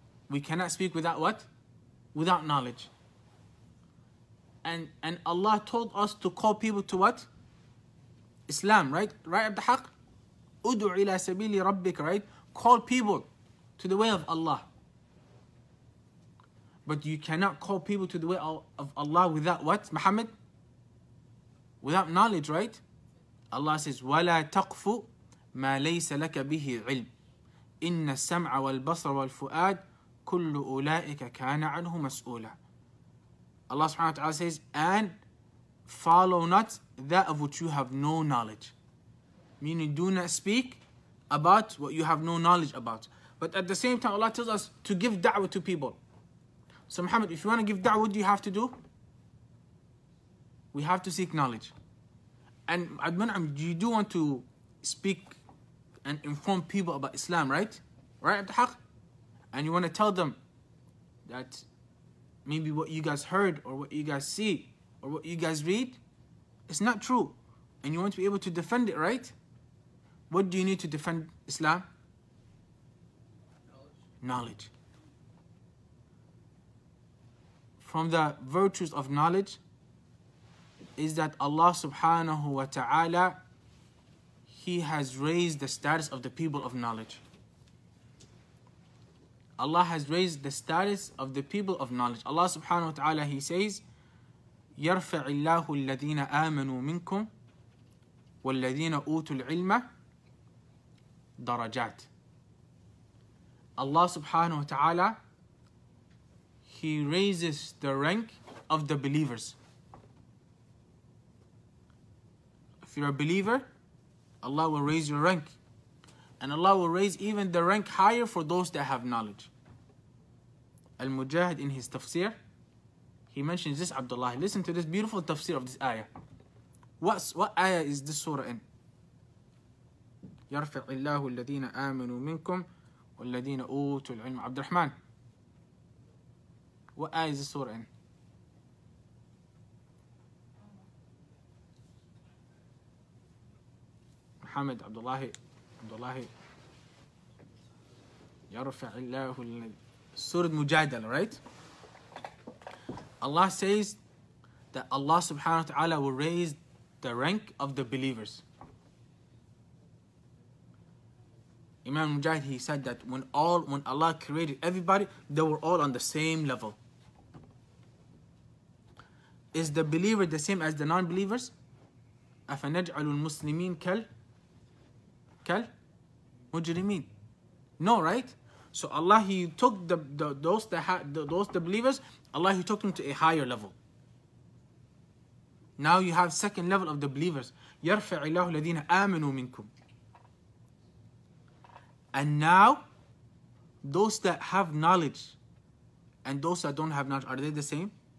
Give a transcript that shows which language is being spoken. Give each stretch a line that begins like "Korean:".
English: We cannot speak without what? Without knowledge. And Allah told us to call people to what? Islam, right? Right, Abdahaq?
Arabic: Udu ila sabili rabbik,
English: right? Call people to the way of Allah. But you cannot call people to the way of Allah without what, Muhammad? Without knowledge, right? Allah says,
Arabic: وَلَا تَقْفُ مَا لَيْسَ لَكَ بِهِ عِلْمٍ إِنَّ السَّمْعَ وَالْبَصَرَ وَالْفُؤَادِ كُلُّ أُولَٰئِكَ كَانَ عَنْهُ مَسْؤُولًا.
English: Allah subhanahu wa ta'ala says, and follow not that of which you have no knowledge. Meaning, do not speak about what you have no knowledge about. But at the same time, Allah tells us to give da'wah to people. So Muhammad, if you want to give da'wah, what do you have to do? We have to seek knowledge. And Adman'am, you do want to speak and inform people about Islam, right? Right, Abdahaq? And you want to tell them that maybe what you guys heard or what you guys see or what you guys read, it's not true. And you want to be able to defend it, right? What do you need to defend Islam? Knowledge. From the virtues of knowledge is that Allah subhanahu wa ta'ala, He has raised the status of the people of knowledge. Allah has raised the status of the people of knowledge. Allah subhanahu wa ta'ala, He says,
Arabic: يَرْفَعِ اللَّهُ الَّذِينَ آمَنُوا مِنْكُمْ وَالَّذِينَ أُوتُوا الْعِلْمَ دَرَجَاتِ.
English: Allah subhanahu wa ta'ala, He raises the rank of the believers. If you're a believer, Allah will raise your rank. And Allah will raise even the rank higher for those that have knowledge. Al-Mujahid in his tafsir, he mentions this, Abdullah. Listen to this beautiful tafsir of this ayah. What ayah is this surah in?
Arabic: يَرْفِعِ اللَّهُ الَّذِينَ آمَنُوا مِنْكُمْ والذين أوتوا العلم عبد الرحمن.
English: What ayah is the surah in? Muhammad, Abdullah, Abdullah.
Arabic: يرفع الله
English: Surah Mujadal, right? Allah says that Allah subhanahu wa ta'ala will raise the rank of the believers. Imam Mujahid, he said that when Allah created everybody, they were all on the same level. Is the believer the same as the non-believers?
Arabic: أَفَنَجْعَلُ الْمُسْلِمِينَ كَالْ مُجْرِمِينَ.
English: No, right? So Allah, He took those believers, Allah, He took them to a higher level. Now you have second level of the believers.
Arabic: يَرْفَعِ اللَّهُ الَّذِينَ آمَنُوا مِنْكُمْ.
English: And now, those that have knowledge and those that don't have knowledge, are they the same?